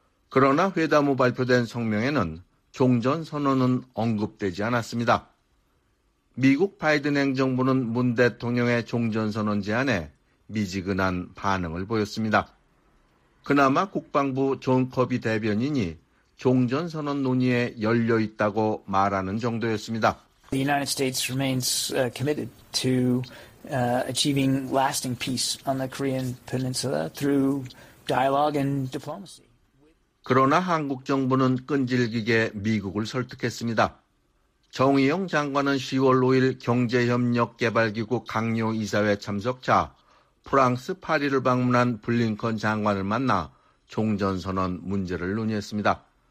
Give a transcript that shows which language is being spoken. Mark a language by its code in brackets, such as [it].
[ko] 그러나 회담 후 발표된 성명에는 종전선언은 언급되지 않았습니다. 미국 바이든 행정부는 문 대통령의 종전선언 제안에 미지근한 반응을 보였습니다. 그나마 국방부 존 커비 대변인이 종전선언 논의에 열려 있다고 말하는 정도였습니다. [en] The United States remains committed to achieving lasting peace on the Korean Peninsula through dialogue and diplomacy. [ko] 그러나 한국 정부는 끈질기게 미국을 설득했습니다. 정의용 장관은 10월 5일 경제협력개발기구 강요이사회 참석자 프랑스 파리를 방문한 블링컨 장관을 만나 종전선언 문제를 논의했습니다.